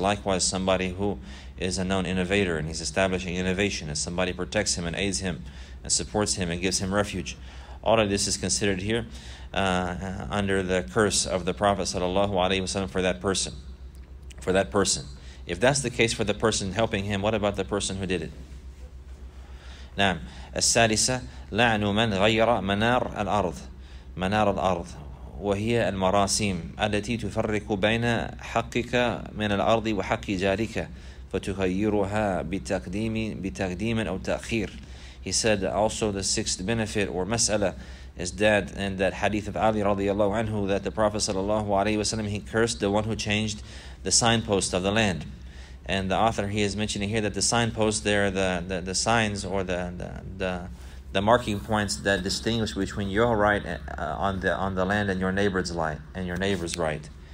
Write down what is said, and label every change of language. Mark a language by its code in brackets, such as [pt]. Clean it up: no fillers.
[en] Likewise, somebody who is a known innovator and he's establishing innovation, and somebody protects him and aids him and supports him and gives him refuge. All of this is considered here under the curse of the Prophet sallallahu alaihi wasallam for that person. For that person. If that's the case for the person helping him, what about the person who did it? Naam. [ar] السادسة لعن من غير منار الأرض منار الأرض وهي المراسيم التي تفرق بين حقك من الأرض وحق جارك فتغيرها بتقديم بتقديم أو تأخير. [en] He said also the sixth benefit or mas'ala is that in that hadith of Ali radiallahu anhu that the Prophet sallallahu alayhi wasallam, he cursed the one who changed the signpost of the land. And the author, he is mentioning here that the signposts there, the signs or the marking points that distinguish between your right on the land and your neighbor's light and your neighbor's right.